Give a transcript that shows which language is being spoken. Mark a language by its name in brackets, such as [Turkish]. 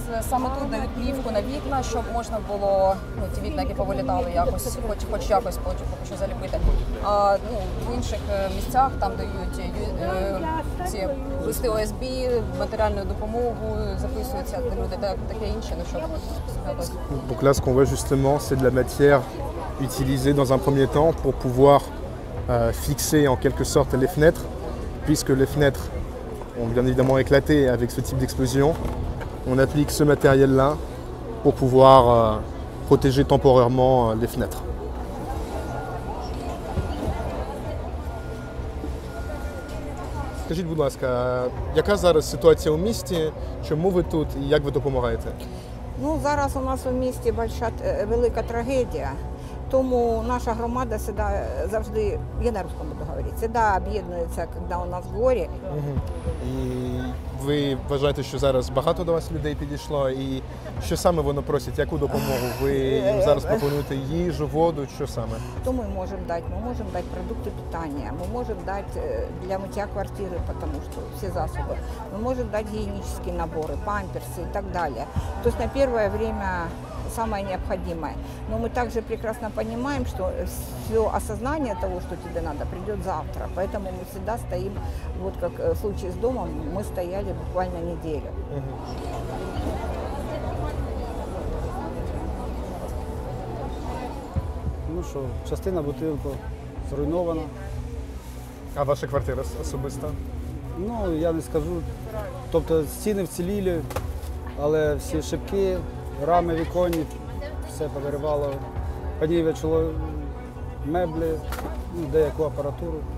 [Ukrainian] Саме тут дають плівку на вікна, щоб можна було ті вікна, які повилітали, якось, хоч якось поки що заліпити. А в інших місцях там дають ці листи ОСБ, матеріальну допомогу, записуються люди, таке інше, щоб [French] Donc là, ce qu'on voit justement, c'est de la matière utilisée dans un premier temps pour pouvoir fixer en quelque sorte les fenêtres, puisque les fenêtres ont bien évidemment éclaté avec ce type d'explosion. On applique ce matériel-là pour pouvoir protéger temporairement les fenêtres. [Ukrainian] Скажіть, будь ласка, яка зараз ситуація у місті? Чому ви тут і як ви допомагаєте? Ну, зараз у нас у місті велика, велика трагедія, тому наша громада сюди завжди, [Russian] я не русском буду [Ukrainian] говорити, сюди об'єднується, коли у нас в горі. Угу. І ви вважаєте, що зараз багато до вас людей підійшло? І що саме воно просить? Яку допомогу? Ви їм зараз пропонуєте їжу, воду? Що саме? То ми можемо дати. Ми можемо дати продукти питання. Ми можемо дати для миття квартири, тому що всі засоби. Ми можемо дати гігієнічні набори, памперси і так далі. Тобто на перше [Russian] время самое необходимое. Но мы также прекрасно понимаем, что все осознание того, что тебе надо, придет завтра. Поэтому мы всегда стоим, вот как в случае с домом, мы стояли буквально неделю. Ну что, [Ukrainian] частина бутылка зруйнована. А ваша квартира особисто? Ну, я не скажу. Тобто стіни вціліли, але всі шибки, рами віконні, все повирвало, подівчило меблі, деяку апаратуру.